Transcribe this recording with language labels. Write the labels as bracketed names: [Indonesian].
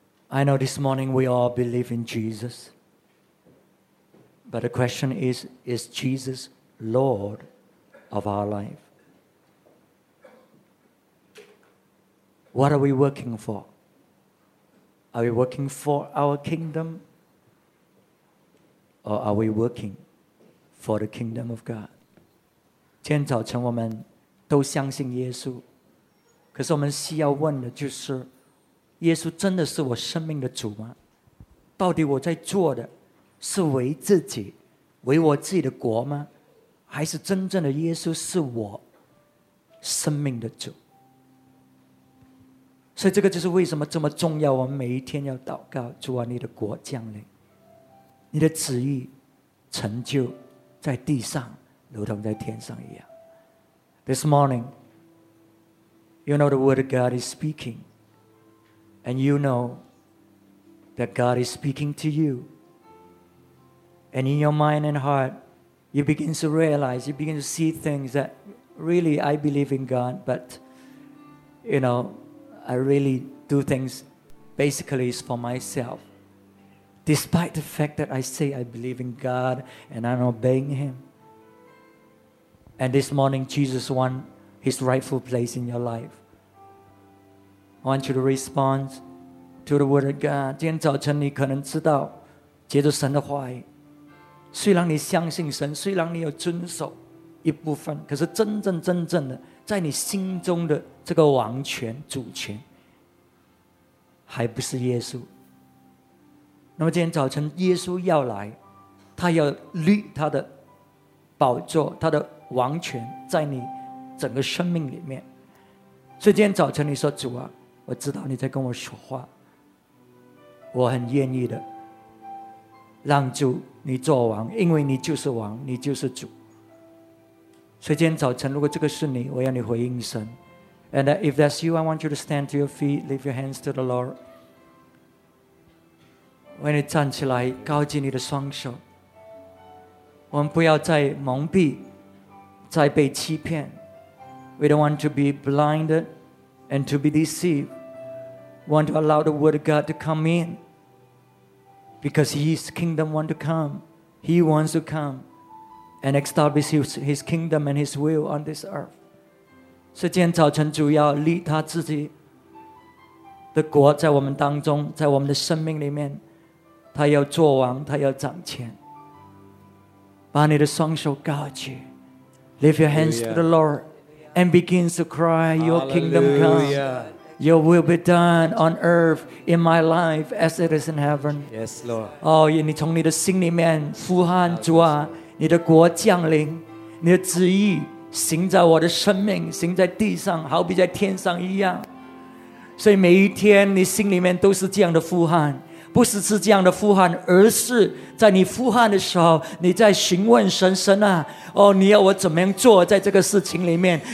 [English] I know this morning we all believe in Jesus. But the question is Jesus Lord of our life? What are we working for? Are we working for our kingdom? Or are we working for the kingdom of God? [Chinese] 今天早晨我们都相信耶稣，可是我们需要问的就是耶稣真的是我生命的主吗？到底我在做的是为自己，为我自己的国吗？还是真正的耶稣是我生命的主？所以这个就是为什么这么重要，我们每一天要祷告，主啊，你的国降临，你的旨意成就在地上，如同在天上一样。 [English] This morning, you know the word of God is speakingAnd you know that God is speaking to you. And in your mind and heart, you begin to realize, you begin to see things that really I believe in God, but you know, I really do things basically is for myself. Despite the fact that I say I believe in God and I'm obeying Him. And this morning, Jesus wants his rightful place in your life. I want you to respond to the word of God. [Chinese] 今天早晨你可能知道接着神的话语，虽然你相信神，虽然你有遵守一部分，可是真正真正的在你心中的这个王权主权还不是耶稣。那么今天早晨耶稣要来，他要立他的宝座，他的王权在你整个生命里面。所以今天早晨你说，主啊，我知道你在跟我说话，我很愿意的让主你做王，因为你就是王，你就是主。所以今天早晨如果这个是你，我要你回应神。 [English] And if that's you, I want you to stand to your feet, lift your hands to the Lord. [Chinese] 我要你站起来，高举你的双手。我们不要再蒙蔽，再被欺骗。 [English] We don't want to be blinded and to be deceived. We want to allow the word of God to come in, because his kingdom wants to come. He wants to come and establish his kingdom and his will on this earth. [Chinese] 所以今天早晨主要立他自己的国在我们当中，在我们的生命里面，他要做王，他要掌权。把你的双手高举， [English] lift your hands to the Lord and begin to cry, your kingdom come, your will be done on earth in my life as it is in heaven. Yes, Lord. [Chinese] 哦，你从你的心里面呼喊，主啊，你的国降临，你的旨意行在我的生命，行在地上，好比在天上一样。所以每一天你心里面都是这样的呼喊，不只是这样的呼喊，而是在你呼喊的时候，你在询问神，神啊，哦，你要我怎么样做在这个事情里面？